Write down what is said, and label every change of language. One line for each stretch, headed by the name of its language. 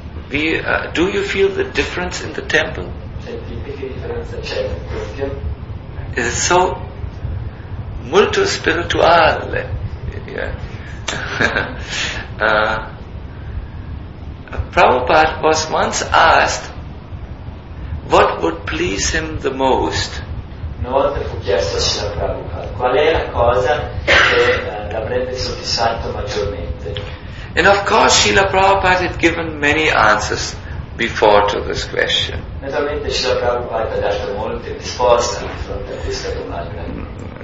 English: Do you feel the difference in the temple? It is so
Italian: multo
English: spiritual. Prabhupada was once asked what would please him the most.
Italian: Una volta fu chiesto a Srila Prabhupada qual è la cosa che l'avrebbe soddisfatto maggiormente.
English: And of course Srila Prabhupada had given many answers before to this question.
Italian: Naturalmente Srila Prabhupada ha dato molte risposte di fronte a questa domanda.